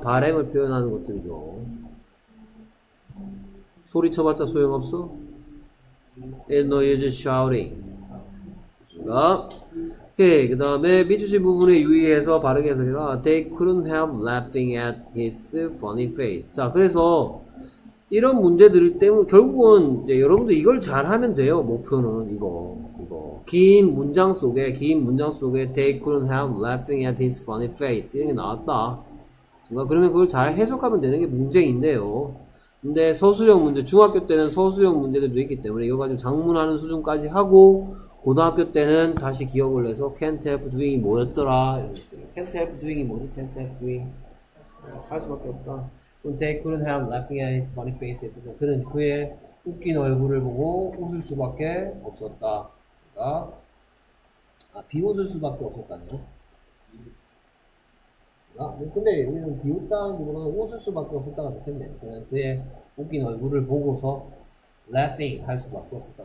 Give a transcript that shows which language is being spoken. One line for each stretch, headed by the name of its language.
Korean: 바람을 표현하는 것들이죠. 소리 쳐봤자 소용없어?
English: It's no use shouting.
Korean: 됐습니까? 오케이. 그 다음에 미주지 부분에 유의해서 바르게 해석해라.
English: They couldn't help laughing at his funny face.
Korean: 자, 그래서. 이런 문제들 때문에 결국은 이제 여러분도 이걸 잘하면 돼요. 목표는 이거. 긴 문장 속에
English: they couldn't help laughing at his funny face
Korean: 이런 게 나왔다. 그러면 그걸 잘 해석하면 되는 게 문제인데요. 근데 서술형 문제, 중학교 때는 서술형 문제들도 있기 때문에 이거 가지고 작문하는 수준까지 하고 고등학교 때는 다시 기억을 해서
English: can't help doing
Korean: 이 뭐였더라? 이런 것들.
English: can't help doing
Korean: 이 뭐지? can't help doing 할 수밖에 없다.
English: They couldn't help laughing at his funny face.
Korean: 그는 그의 웃긴 얼굴을 보고 웃을 수밖에 없었다. 그러니까 비웃을 수밖에 없었다네요. 근데 여기는 비웃다는 거는 웃을 수밖에 없었다가 좋겠네요. 그는 그의 웃긴 얼굴을 보고서 laughing 할 수밖에 없었다.